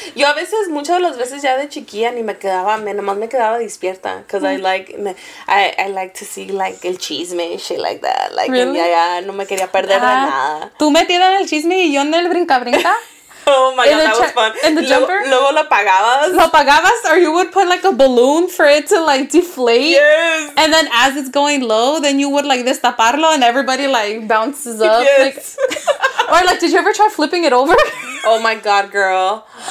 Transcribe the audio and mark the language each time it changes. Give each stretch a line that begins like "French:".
Spanish: Yo a veces, muchas de las veces ya de chiquilla ni me quedaba, nomás me quedaba despierta.
English: Because I like to see, like,
Spanish: el chisme
English: and shit like that. Like, really?
Spanish: Ya no me quería perder de nada.
English: Tú metida en el chisme y yo en el brinca-brinca. Oh my God, that was fun. In the jumper?
Spanish: Luego lo apagabas. Lo apagabas,
English: or you would put like a balloon for it to like deflate. Yes. And then as it's going low, then you would like
Spanish: destaparlo
English: and everybody like bounces up. Yes. Like, or like, did you ever try flipping it over? Oh my God, girl.